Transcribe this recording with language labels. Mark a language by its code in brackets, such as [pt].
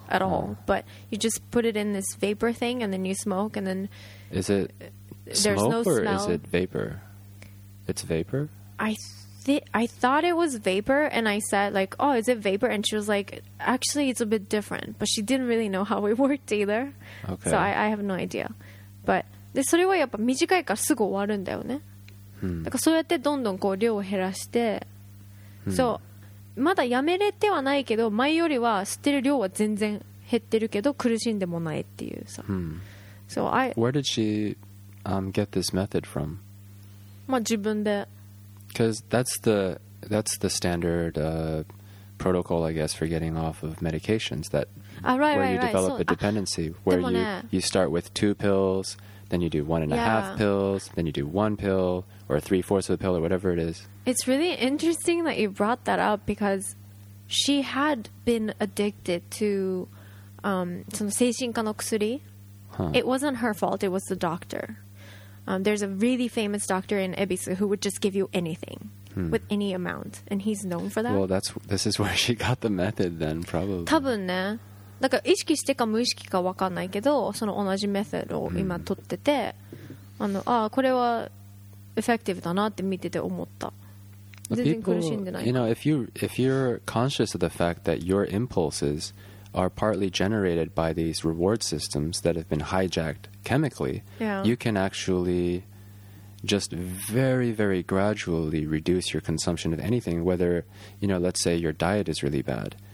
[en] At all, but you just put it in this vapor thing, and then you smoke, and then is it there's smoke no smell. Or is it vapor? It's vapor. I thought it was vapor, and I said like, "Oh, is it vapor?" And she was like, "Actually, it's a bit different." But she didn't really know how it worked either. Okay. So I have no idea. [ja] But でそれはやっぱ短いからすぐ終わるんだよね。だからそうやってどんどんこう量を減らして、so. まだやめれてはないけど前よりは吸ってる量は全然減ってるけど苦しんでもないっていうさ、 hmm. [en] So I Where did she、get this method from? [ja] まあ自分で [en] Because that's the standard、protocol I guess for getting off of medications that、develop a dependency、where you start with two pills then you do one and、 yeah. a half pills then you do one pillor 3/4 of a pill or whatever it is. It's really interesting that you brought that up because she had been addicted to [ja] その精神科の薬、huh. [en] It wasn't her fault, it was the doctor、There's a really famous doctor in Ebisu who would just give you anything、hmm. with any amount, and he's known for that. Well, that's, this is where she got the method then, probably. [ja] 多分ね、なんか意識してか無意識か分かんないけど、その同じメソッドを今取ってて、hmm. ああこれはエフェクティブだなって見てて思った。 [en] People, you know, if you're conscious of the fact that your impulses are partly generated by these reward systems that have been hijacked chemically,、 yeah. you can actually just very, very gradually reduce your consumption of anything, whether, you know, let's say your diet is really bad.